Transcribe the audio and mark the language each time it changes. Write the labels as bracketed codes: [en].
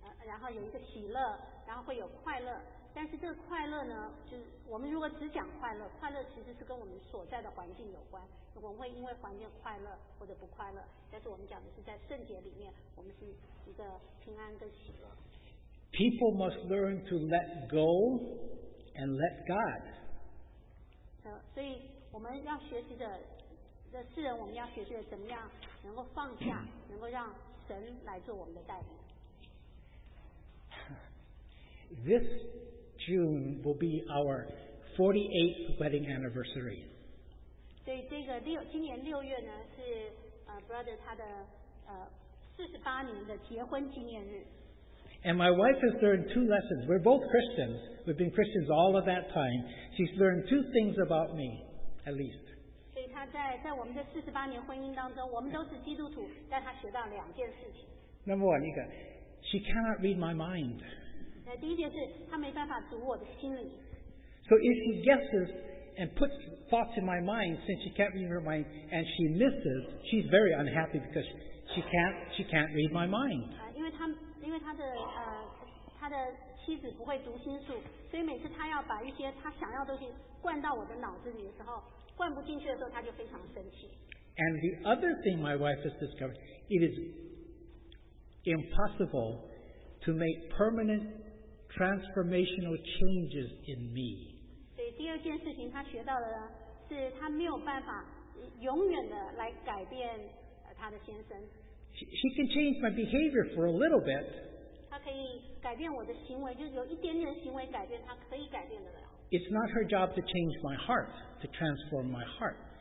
[zh] 然后有一个喜乐，然后会有快乐。但是这个快乐呢，就是我们如果只讲快乐，快乐其实是跟我们所在的环境有关。我们会因为环境快乐或者不快乐，但是我们讲的是在圣洁里面，我们是一个平安跟喜乐。 [en] People must learn to let go and let God. [zh] 所以我们要学习的这世人我们要学习怎么样能够放下，能够让神来做我们的带领。 [en] This June will be our 48th wedding anniversary. [zh] 所以这个六今年六月呢是brother 他的48年的结婚纪念日。 [en] And my wife has learned two lessons. We're both Christians. We've been Christians all of that time. She's learned two things about me, at least. [zh] 所以她在我们的48年婚姻当中，我们都是基督徒，但她学到两件事情。 [en] Number one, [zh] 一个 [en] she cannot read my mind. [zh] 第一件事，她没办法读我的心理。 [en] So if she guesses and puts thoughts in my mind, since she can't read her mind, and she misses, she's very unhappy because she can't read my mind. [zh] 因为他的妻子不会读心术，所以每次他要把一些他想要的东西灌到我的脑子里的时候，灌不进去的时候，他就非常生气。 [en] And the other thing my wife has discovered, it is impossible to make permanent transformational changes in me. [zh] 所以第二件事情他学到的呢，是他没有办法永远的来改变他的先生。 [en] She can change my behavior for a little bit. [zh] 她可以改变我的行为，就是有一点点的行为改变，她可以改变得了。 [en] It's not her job to change my heart, to transform my heart.